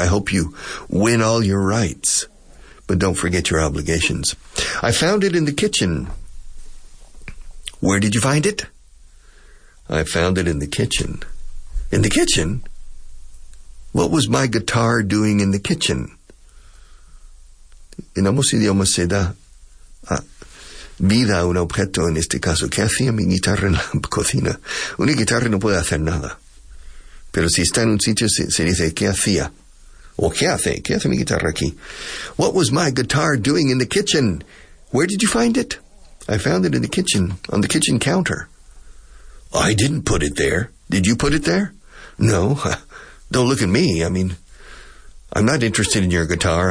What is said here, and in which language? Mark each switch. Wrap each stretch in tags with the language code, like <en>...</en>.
<en>I hope you win all your rights. But don't forget your obligations. I found it in the kitchen. Where did you find it? I found it in the kitchen. In the kitchen? What was my guitar doing in the kitchen?</en> <es>En ambos idiomas se da vida a un objeto en este caso. ¿Qué hacía mi guitarra en la cocina? Una guitarra no puede hacer nada. Pero si está en un sitio, se dice, ¿qué hacía? ¿O qué hace? ¿Qué hace mi guitarra aquí?</es> <en>What was my guitar doing in the kitchen? Where did you find it? I found it in the kitchen, on the kitchen counter. I didn't put it there. Did you put it there? No. Don't look at me. I mean, I'm not interested in your guitar.</en>